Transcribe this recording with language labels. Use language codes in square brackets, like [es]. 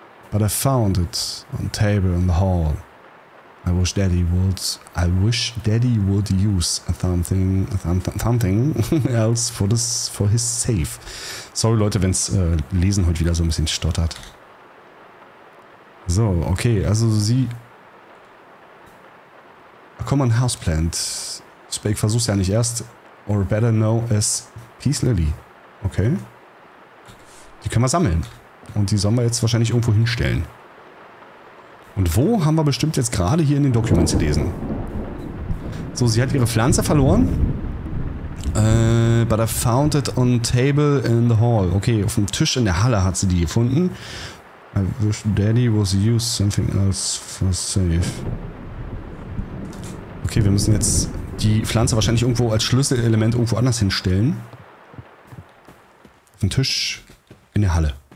[en] But I found it on table in the hall. I wish daddy would use something else for his safe. [de] Sorry Leute, wenn's Lesen heute wieder so ein bisschen stottert. So, okay, also sie. [en] A common houseplant. [de] Spake versuch's ja nicht erst. [en] Or better know as Peace Lily. [de] Okay. Die können wir sammeln. Und die sollen wir jetzt wahrscheinlich irgendwo hinstellen. Und wo haben wir bestimmt jetzt gerade hier in den Dokumenten zu lesen? So, sie hat ihre Pflanze verloren. [en] But I found it on table in the hall. [de] Okay, auf dem Tisch in der Halle hat sie die gefunden. [en] I wish daddy was used something else for safe. [de] Okay, wir müssen jetzt die Pflanze wahrscheinlich irgendwo als Schlüsselelement irgendwo anders hinstellen. Auf dem Tisch in der Halle.